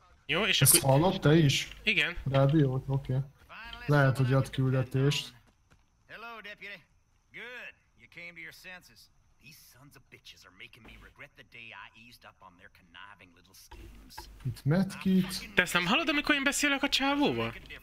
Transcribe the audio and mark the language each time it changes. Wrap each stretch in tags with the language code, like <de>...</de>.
<hu>Jó, és ezt akkor... hallott te is? Igen. Rádiót, oké. Okay. Lehet, hogy ad küldetést.</hu> <en>Hello, deputy. Good. You came to your senses. These sons of bitches are making me regret the day I eased up on their conniving little schemes.</en> <hu>Itt medkit. Te ezt nem hallod, amikor én beszélek a csávóval?</hu>